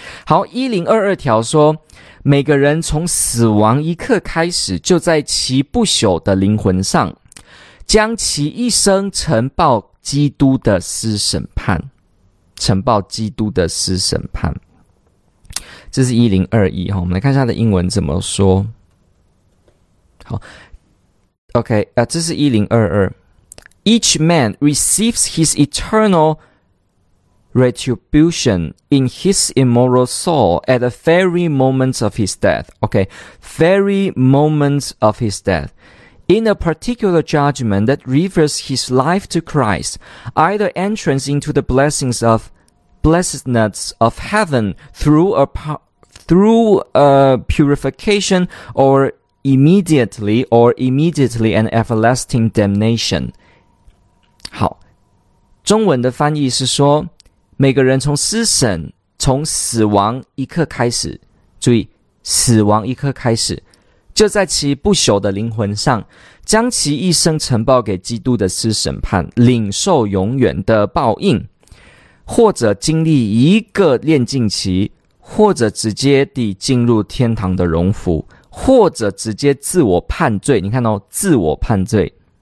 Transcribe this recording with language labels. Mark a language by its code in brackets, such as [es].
[zh] 好，1022条说，每个人从死亡一刻开始，就在其不朽的灵魂上，将其一生呈报基督的司审判，呈报基督的司审判。这是1021，我们来看一下他的英文怎么说。好 ,OK, 这是1022。 [en] Each man receives his eternal retribution in his immortal soul at the very moment of his death. Okay, very moment of his death. In a particular judgment that refers his life to Christ, either entrance into the blessings of blessedness of heaven through a purification or immediately an everlasting damnation. [zh] 好，中文的翻译是说，每个人从死亡一刻开始，注意，死亡一刻开始，就在其不朽的灵魂上，将其一生呈报给基督的司审判，领受永远的报应，或者经历一个炼净期，或者直接地进入天堂的荣福，或者直接自我判罪，你看哦，自我判罪。